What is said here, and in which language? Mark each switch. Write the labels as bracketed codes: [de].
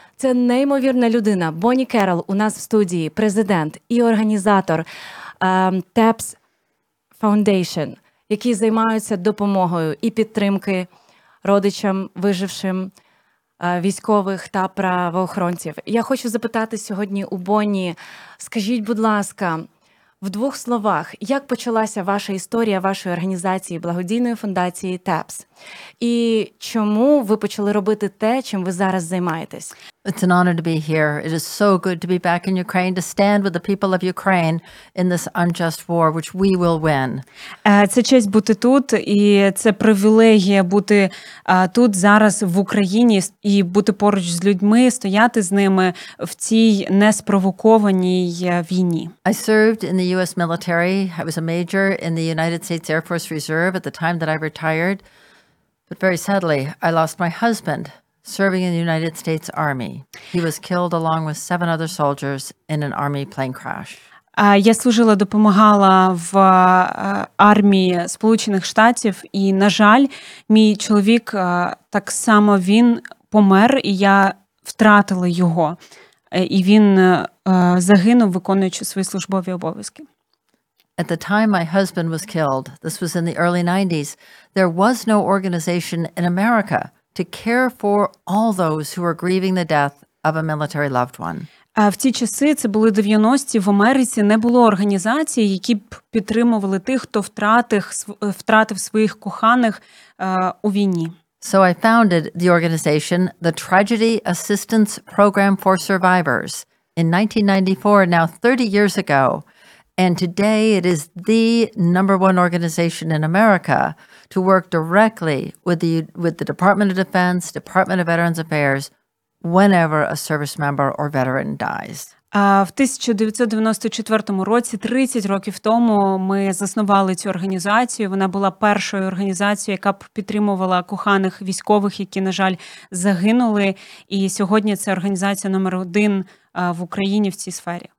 [uk] Це неймовірна людина. Бонні Керрол у нас в студії, президент і організатор TAPS Foundation, які займаються допомогою і підтримки родичам, вижившим військових та правоохоронців. Я хочу запитати сьогодні у Бонні, скажіть, будь ласка, в двох словах, як почалася ваша історія вашої організації, благодійної фундації TAPS? І чому ви почали робити те, чим ви зараз займаєтесь? [en] It's an honor to be here. It is so good to be back in Ukraine, to stand with the people of Ukraine in this unjust war, which we will win. [uk] Це честь бути тут, і це привілегія бути тут зараз в Україні і бути поруч з людьми, стояти з ними в цій неспровокованій війні. [en] I served in the U.S. military. I was a major in the United States Air Force Reserve at the time that I retired. But very sadly, I lost my husband serving in the United States Army. He was killed along with seven other soldiers in an army plane crash. [uk] Я служила, допомагала в армії Сполучених Штатів, і, на жаль, мій чоловік так само він помер, і я втратила його. І він загинув, виконуючи свої службові обов'язки. [en] At the time my husband was killed, this was in the early 90s, there was no organization in America to care for all those who were grieving the death of a military loved one. [uk] В ті часи, це були 90-ті, в Америці не було організації, які б підтримували тих, хто втратив своїх коханих у війні. [en] So I founded the organization, the Tragedy Assistance Program for Survivors, in 1994, now 30 years ago. And today it is the number one organization in America to work directly with the Department of Defense, Department of Veterans Affairs, whenever a service member or veteran dies. [uk] В 1994 році, 30 років тому, ми заснували цю організацію. Вона була першою організацією, яка б підтримувала коханих військових, які, на жаль, загинули. І сьогодні це організація номер один в Україні в цій сфері.